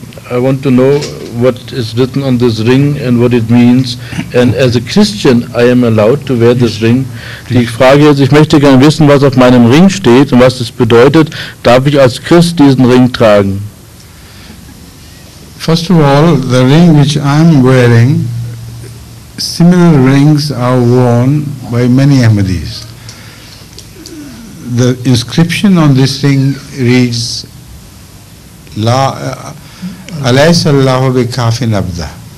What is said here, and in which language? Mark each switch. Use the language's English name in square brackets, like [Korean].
[English] I want to know what is written on this ring and what it means. And as a Christian, I am allowed to wear this ring. [German] Die Frage ist, ich möchte gerne wissen, was auf meinem Ring steht und was es bedeutet. Darf ich als Christ diesen Ring tragen? [English] First of all, the ring which I am wearing, similar rings are worn by many Ahmadis. The inscription on this ring reads, [Arabic] "La alaysa Allahu bikafin abda."